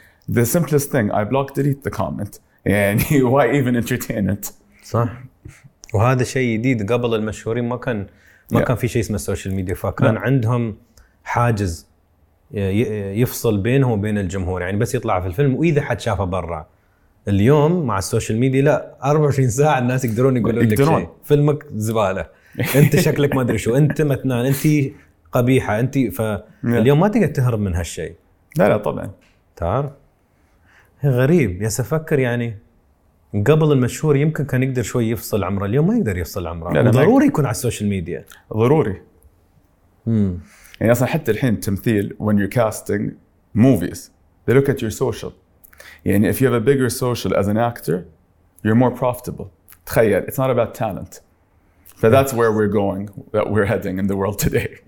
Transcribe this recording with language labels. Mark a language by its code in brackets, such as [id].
[en] The simplest thing, I block, delete the comment. And why even entertain it? [ar] صح. وهذا شيء جديد قبل المشهورين ما كان في شيء اسمه السوشيال ميديا فكان عندهم حاجز يفصل بينه وبين الجمهور يعني بس يطلع في الفيلم وإذا حد شافه برا. اليوم مع السوشيال ميديا لا 24 ساعة الناس يقدرون يقولون لك شيء. فيلمك زبالة. انت شكلك ما ادري شو انت متنان انت قبيحه انت فاليوم ما تقدر تهرب من هالشيء لا طبعا تعرف غريب يا سفكر يعني قبل المشهور يمكن كان يقدر شوي يفصل عمره اليوم ما يقدر يفصل عمره ضروري يكون على السوشيال ميديا ضروري يعني اصلا حتى الحين تمثيل [en] when you're casting movies they look at your social يعني if you have a bigger social as an actor you're more profitable تخيل it's not about talent But that's where we're going, that we're heading in the world today.